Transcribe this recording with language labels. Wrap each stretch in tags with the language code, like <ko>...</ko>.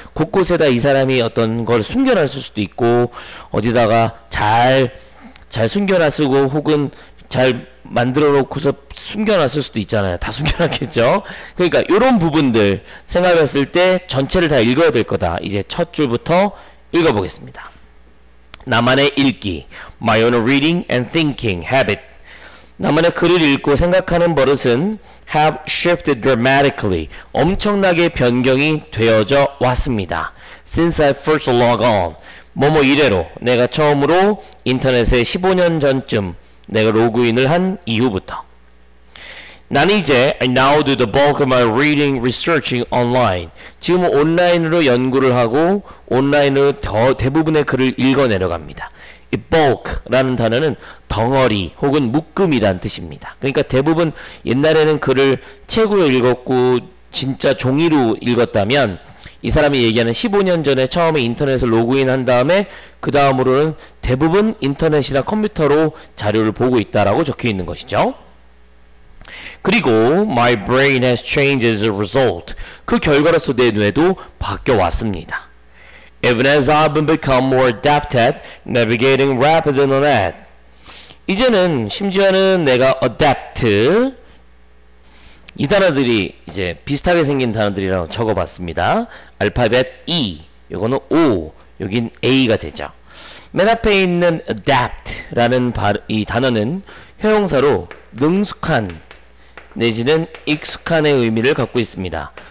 <ko>곳곳에다 이 사람이 어떤 걸 숨겨놨을 수도 있고, 어디다가 잘 숨겨놨고 혹은 잘 만들어 놓고서 숨겨놨을 수도 있잖아요. 다 숨겨놨겠죠. 그러니까 이런 부분들 생각했을 때 전체를 다 읽어야 될 거다. 이제 첫 줄부터 읽어보겠습니다. 나만의 읽기,</ko> <en>my own reading and thinking habit.</en> <ko>나만의 글을 읽고 생각하는 버릇은</ko> <en>have shifted dramatically,</en> <ko>엄청나게 변경이 되어져 왔습니다.</ko> <en>since I first log on,</en> <ko>뭐뭐 이래로, 내가 처음으로 인터넷에 15년 전쯤 내가 로그인을 한 이후부터. 나는 이제</ko> <en>I now do the bulk of my reading researching online.</en> <ko>지금 온라인으로 연구를 하고 온라인으로 대부분의 글을 읽어 내려갑니다. 이 bulk라는 단어는 덩어리 혹은 묶음이란 뜻입니다. 그러니까 대부분 옛날에는 글을 책으로 읽었고 진짜 종이로 읽었다면, 이 사람이 얘기하는 15년 전에 처음에 인터넷을 로그인 한 다음에 그 다음으로는 대부분 인터넷이나 컴퓨터로 자료를 보고 있다라고 적혀 있는 것이죠.</ko> <en>그리고 my brain has changed as a result.</en> <ko>그 결과로서 내 뇌도 바뀌어 왔습니다.</ko> <en>Even as I've become more adept at navigating rapid internet.</en> <ko>이제는 심지어는 내가 adept, 이 단어들이 이제 비슷하게 생긴 단어들이라고 적어봤습니다. 알파벳 E, 요거는 O, 여긴 A가 되죠. 맨 앞에 있는 adapt라는 이 단어는 형용사로 능숙한 내지는 익숙한의 의미를 갖고 있습니다.</ko>